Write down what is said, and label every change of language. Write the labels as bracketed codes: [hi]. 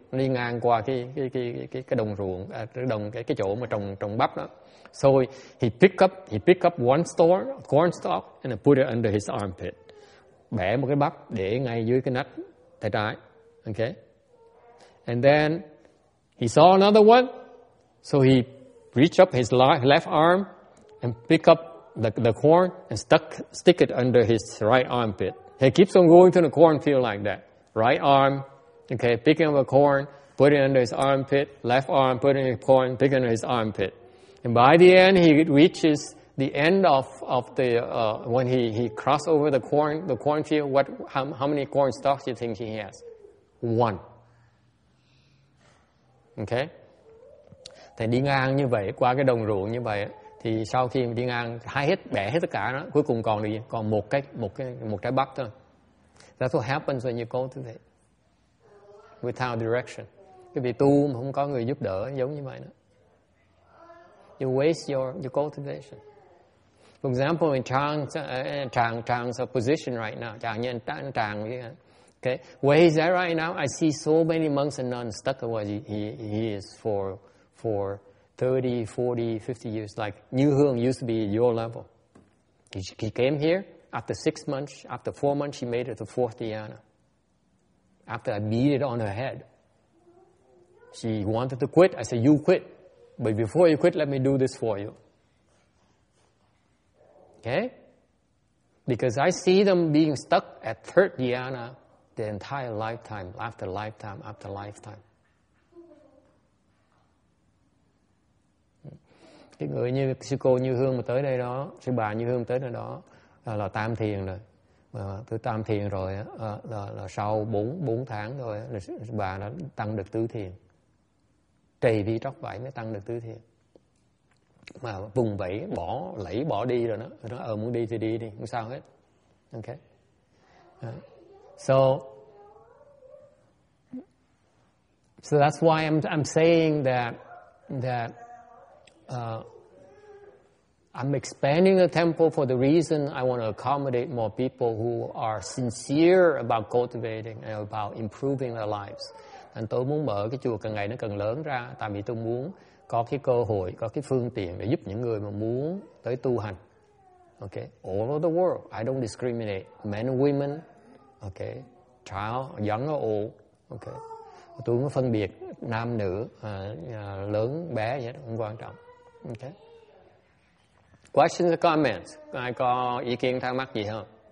[vi] Nó đi ngang qua cái đồng ruộng, cái chỗ mà trồng bắp đó. [en] So he picked up one stalk, corn stalk, and put it under his armpit. [vi] Bẻ một cái bắp để ngay dưới cái nách tay trái. [en] Okay. And then he saw another one. So he reached up his left arm and picked up the corn and stick it under his right armpit. He keeps on going through the cornfield like that. Right arm, okay, picking up a corn, put it under his armpit. Left arm, putting a corn, picking under his armpit. And by the end, he reaches the end of the when he crossed over the cornfield. What? How many corn stalks do you think he has? One. Okay. [vi] Thì đi ngang như vậy, qua cái đồng ruộng như vậy, thì sau khi đi ngang, hái hết, bẻ hết tất cả đó, cuối cùng còn được còn một trái bắp thôi. [en] That's what happens when you go to it without direction. [vi] Cái việc tu mà không có người giúp đỡ giống như vậy đó. [en] You waste your cultivation. For example, in Chàng's position right now, Chàng như Chàng, okay, where he's at right now, I see so many monks and nuns stuck at where he is for 30, 40, 50 years. Like Như Hương used to be your level. He came here. After 6 months, after 4 months, she made it to fourth dhyana. After I beat it on her head, she wanted to quit. I said, "You quit. But before you quit, let me do this for you." Okay? Because I see them being stuck at third dhyana the entire lifetime, after lifetime, after lifetime. [vi] Cái người như sư cô Như Hương mà tới đây đó, sư bà Như Hương tới đây đó, là tam thiền rồi, tứ tam thiền rồi là sau 4 tháng rồi là bà đã tăng được tứ thiền, trì vi trót vải mới tăng được tứ thiền, mà vùng vẫy bỏ đi rồi đó, nó muốn đi thì đi không sao hết, okay, [en] so that's why I'm saying that I'm expanding the temple for the reason I want to accommodate more people who are sincere about cultivating and about improving their lives. [vi] Nên tôi muốn mở cái chùa càng ngày nó càng lớn ra, tại vì tôi muốn có cái cơ hội, có cái phương tiện để giúp những người mà muốn tới tu hành. [en] Okay, all over the world, I don't discriminate men and women. Okay, child, young or old. [vi] Okay, tôi không có phân biệt nam nữ, lớn bé gì hết, không quan trọng. Okay. [en] Questions or comments? [vi] Ai có ý kiến thắc mắc gì không?